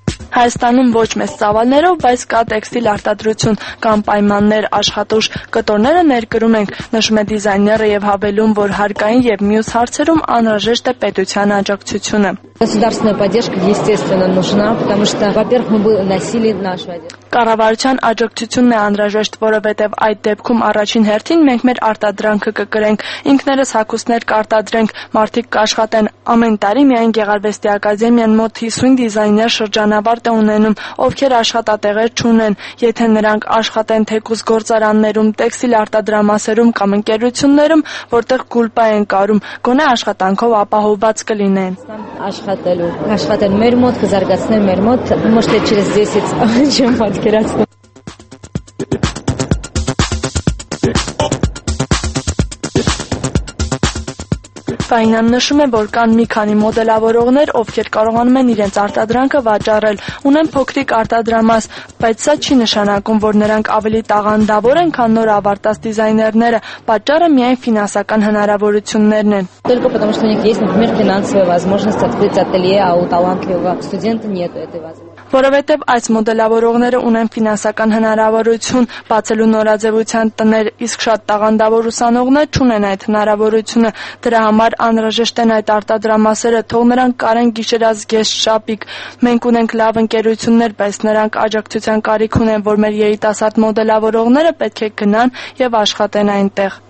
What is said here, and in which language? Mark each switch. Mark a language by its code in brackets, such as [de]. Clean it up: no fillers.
[hy] Հայաստանում ոչ մեծ ծավալներով, բայց կա տեքստիլ արտադրություն, կամ պայմաններ, աշխատուժ, կտորները ներկրում ենք, նշում է դիզայները և հավելում, որ հարկային և մյուս հարցերում անհրաժեշտ է պետության աջակցությունը։ [ru] Государственная поддержка, естественно, нужна, потому что, во-первых, мы бы носили нашу одежду. [hy] Կառավարության աջակցությունն է անհրաժեշտ, որովհետև այդ դեպքում առաջին հերթին մենք մեր արտադրանքը կկրենք, ինքներս հագուստներ կարտադրենք, մարդիկ կաշխատեն։ Ամեն տարի միայն Գեղարվեստի ակադեմիան մոտ 50 դիզայներ շրջանավարտ է ունենում, ովքեր աշխատատեղեր չունեն, եթե նրանք աշխատեն թեկուզ գործարաններում, տեքստիլ արտադրամասերում կամ ընկերություններում, որտեղ գուլպա են կարում, գոնե աշխատանքով ապահովված կլինեն։ Աշխատեն մեր մոտ, կզարգացնեն մեր մոտ, մոշտ է չրես ձեզից չեմ պատկերացնում։ Ֆայնան նշում է, որ կան մի քանի մոդելավորողներ, ովքեր կարողանում են իրենց արտադրանքը վաճառել, ունեն փոքրիկ արտադրամաս, բայց սա չի նշանակում, որ նրանք ավելի տաղանդավոր են, քան նոր ավարտած դիզայներները, պատճառը միայն ֆինանսական հնարավորություններն են։ [ru] Только потому что у них есть, например, финансовые возможности открыть ателье, а у талантливого студента нет этой возможности. [hy] Որովհետև այս մոդելավորողները ունեն ֆինանսական հնարավորություն բացելու նորաձևության տներ, իսկ շատ տաղանդավոր ուսանողներ չունեն այդ հնարավորությունը, դրա համար անհրաժեշտ են այդ արտադրամասերը, թող նրանք կարեն գիշերազգեստ շապիկ։ Մենք ունենք լավ ընկերություններ, բայց նրանք աջակցության կարիք ունեն, որ մեր երիտասարդ մոդելավորողները պետք է գնան և աշխատեն այնտեղ։